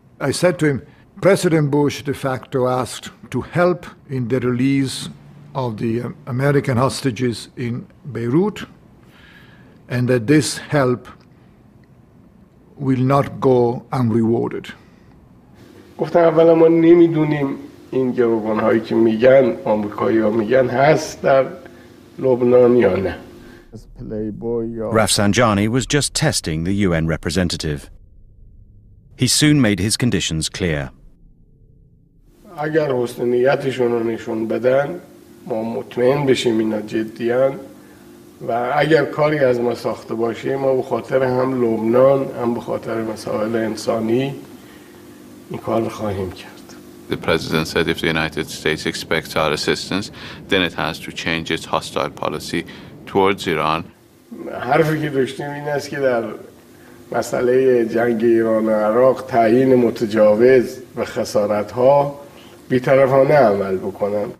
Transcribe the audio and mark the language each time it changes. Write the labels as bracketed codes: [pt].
[en] I said to him, President Bush de facto asked to help in the release of the American hostages in Beirut, and that this help will not go unrewarded. [fa] گفتم اولا ما نمیدونیم این گروگان‌هایی که میگن آمریکایی‌ها میگن هست در لبنان یا نه. [en] Rafsanjani was just testing the UN representative. He soon made his conditions clear. [fa] اگر حسن نیتشون رو نشون بدن ما مطمئن بشیم اینا جدیان و اگر کاری از ما ساخته باشه ما به خاطر هم لبنان هم به خاطر مسائل انسانی این کار خواهیم کرد. [en] The president said if the United States expects our assistance then it has to change its hostile policy towards Iran. [fa] حرفی که داشتیم این است که در مسئله جنگ ایران و عراق تعیین متجاوز و خسارت ها بی‌طرفانه عمل بکنن.